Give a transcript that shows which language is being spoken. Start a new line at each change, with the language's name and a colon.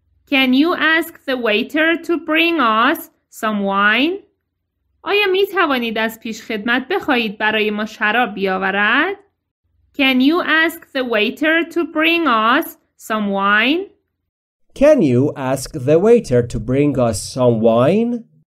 English: Can you ask the waiter to bring us some wine?
Persian: آیا می توانید از پیش خدمت بخواهید برای ما شراب بیاورد؟
English: Can you ask the waiter to bring us some wine? Can you ask the waiter to bring us some wine?